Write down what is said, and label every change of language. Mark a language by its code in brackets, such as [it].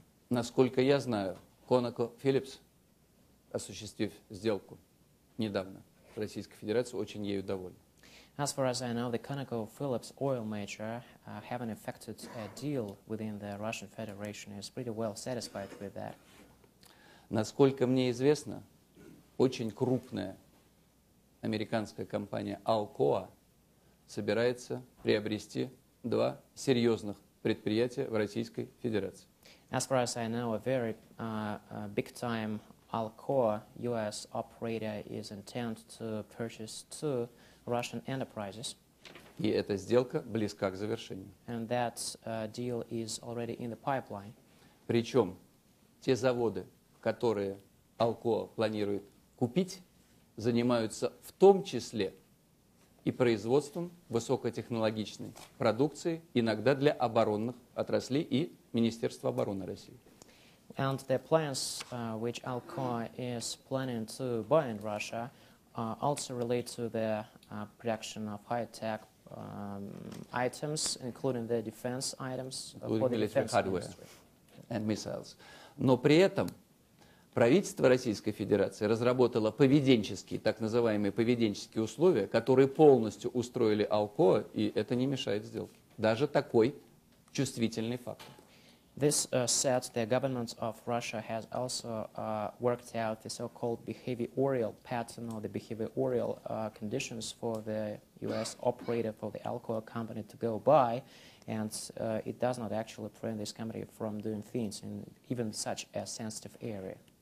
[ru] Насколько я знаю, ConocoPhillips, осуществив сделку недавно в Российской Федерации, очень ею довольна. [en] As far as I know, the ConocoPhillips oil major, having effected a deal within the Russian Federation, is pretty well satisfied with that. [ru] Насколько мне известно, очень крупная американская компания Alcoa собирается приобрести два серьезных предприятия в Российской Федерации. [en] As far as I know, a very big-time Alcoa U.S. operator is intent to purchase two Russian enterprises. [ru] И эта сделка близка к завершению. [en] And that deal is already in the pipeline. [ru] Причем те заводы, которые Alcoa планирует купить, занимаются в том числе и производством высокотехнологичной продукции, иногда для оборонных отраслей и Министерства обороны России. [en] And the plans which Alcoa is planning to buy in Russia also relate to the production of high-tech items, including the defense items including for the defense hardware industry. And missiles. [ru] Но при этом правительство Российской Федерации разработало поведенческие, так называемые поведенческие условия, которые полностью устроили Alcoa, и это не мешает сделке. Даже такой чувствительный фактор. [en] This said, the government of Russia has also worked out the so-called behavioral pattern or the behavioral conditions for the U.S. operator for the Alcoa company to go by, and it does not actually prevent this company from doing things in even such a sensitive area.